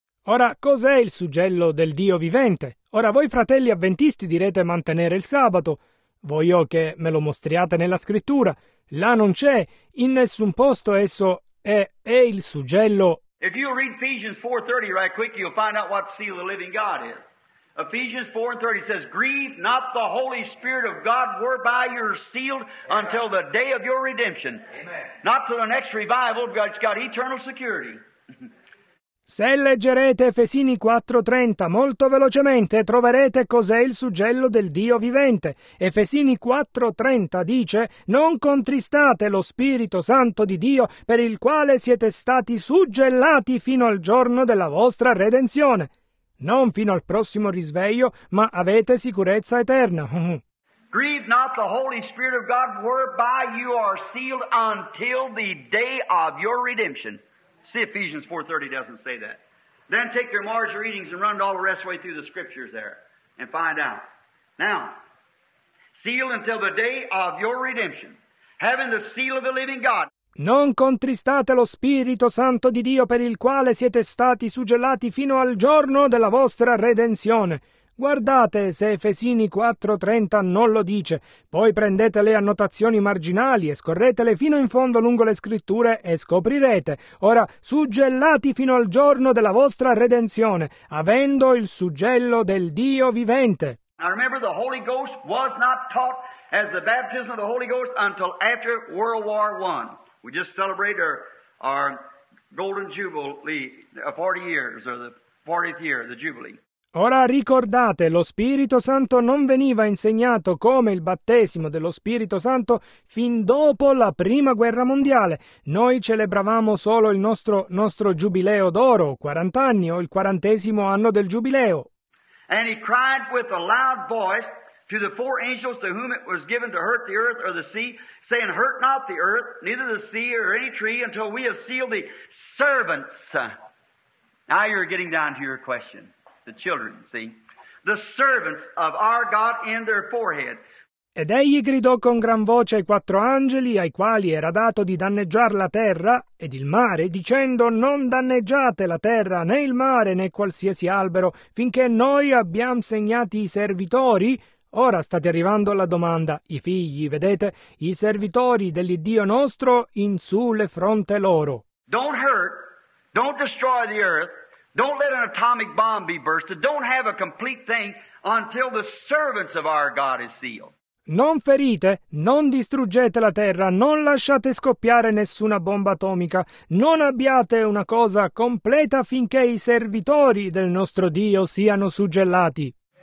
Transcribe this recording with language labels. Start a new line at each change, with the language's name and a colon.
Italian: Ora, cos'è il suggello del Dio vivente? Ora, voi fratelli avventisti direte mantenere il sabato. Voglio che me lo mostriate nella scrittura. Là non c'è. In nessun posto esso è il suggello.
English: If you read Ephesians 4:30 right quick, you'll find out what seal the living God is. Ephesians 4:30 says, grieve not the Holy Spirit of God whereby you're sealed until the day of your redemption. Amen. Not to the next revival, but it's got eternal security.
Italian: Se leggerete Efesini 4:30 molto velocemente, troverete cos'è il suggello del Dio vivente. Efesini 4:30 dice, non contristate lo Spirito Santo di Dio per il quale siete stati suggellati fino al giorno della vostra redenzione. Non fino al prossimo risveglio, ma avete sicurezza eterna.
English: Grieve not the Holy Spirit of God, whereby you are sealed until the day of your redemption. See, Ephesians 4:30 doesn't say that. Then take your Mars readings and run all the rest way through the scriptures there and find out. Now, sealed until the day of your redemption, having the seal of the living God.
Italian: Non contristate lo Spirito Santo di Dio per il quale siete stati suggellati fino al giorno della vostra redenzione. Guardate se Efesini 4:30 non lo dice. Poi prendete le annotazioni marginali e scorretele fino in fondo lungo le scritture e scoprirete. Ora, suggellati fino al giorno della vostra redenzione, avendo il suggello del Dio vivente.
English: Now remember the Holy Ghost was not taught as the baptism of the Holy Ghost until after World War I. We just celebrate our golden jubilee, 40 years, or the 40th year, the jubilee.
Italian: Ora ricordate, lo Spirito Santo non veniva insegnato come il battesimo dello Spirito Santo fin dopo la Prima Guerra Mondiale. Noi celebravamo solo il nostro giubileo d'oro, 40 anni, o il 40° anno del giubileo.
English: And he cried with a loud voice, to the four angels to whom it was given to hurt the earth or the sea, saying, hurt not the earth, neither the sea or any tree, until we have sealed the servants. Now you're getting down to your question. The children, see? The servants of our God in their forehead.
Italian: Ed egli gridò con gran voce ai quattro angeli, ai quali era dato di danneggiar la terra ed il mare, dicendo, non danneggiate la terra, né il mare, né qualsiasi albero, finché noi abbiamo segnati i servitori. Ora state arrivando alla domanda, i figli, vedete, i servitori dell'Iddio nostro in su le fronte loro.
English: Don't hurt, don't destroy the earth, don't let an atomic bomb be bursted, don't have a complete thing until the servants of our God is sealed.
Italian: Non ferite, non distruggete la terra, non lasciate scoppiare nessuna bomba atomica, non abbiate una cosa completa finché i servitori del nostro Dio siano suggellati.